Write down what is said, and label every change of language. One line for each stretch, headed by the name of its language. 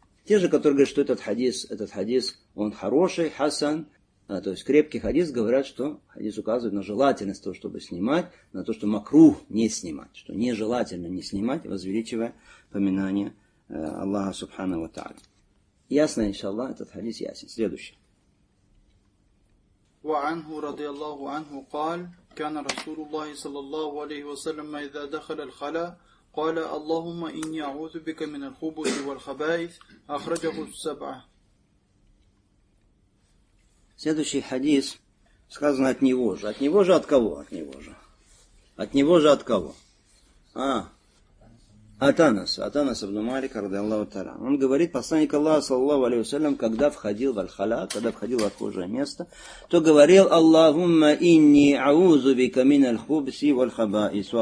Russian: Те же, которые говорят, что этот хадис, он хороший, хасан, то есть крепкий хадис, говорят, что хадис указывает на желательность того, чтобы снимать, на то, что макрух не снимать, что нежелательно не снимать, возвеличивая поминание Аллаха Субхана ва Тааля. Ясно, иншаллах, этот хадис ясен. Следующий.
Arabic: وعنه رضي الله عنه قال كان رسول الله صلى الله عليه وسلم إذا دخل الخلاء قال اللهم إني أعوذ بك من الخبث والخبائث أخرجه السبعة.
Russian: Следующий хадис сказано от него же. От него же от кого? От него же. От него же от кого? А, от Анаса. От Анаса ибн Малика
Arabic: رضي الله تعالى.
Russian: Он говорит, посланник Аллаха, саллаллаху алейхи ва саллям, когда входил в аль-халя, когда входил в отхожее место, то говорил,
Arabic: Аллахумма инни аузу бика мин аль-хубси валь-хабаис.